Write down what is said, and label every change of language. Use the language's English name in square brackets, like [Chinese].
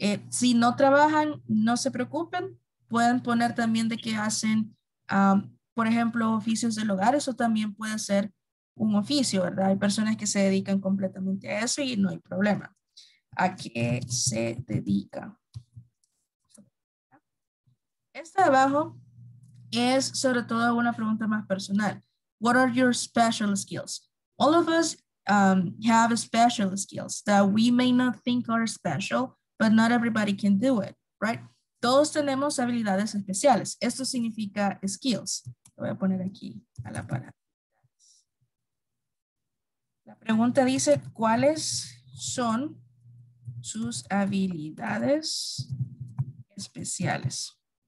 [Spanish] Si no trabajan, no se preocupen, pueden poner también de que hacen, por ejemplo, oficios del hogar, eso también puede ser un oficio, ¿verdad? Hay personas que se dedican completamente a eso y no hay problema. ¿A qué se dedica? Esta de abajo es sobre todo una pregunta más personal. [English] What are your special skills? All of us have special skills that we may not think are special, but not everybody can do it, right? [Spanish] Todos tenemos habilidades especiales. Esto significa skills. Lo voy a poner aquí a la parada. La pregunta dice, ¿cuáles son sus habilidades especiales?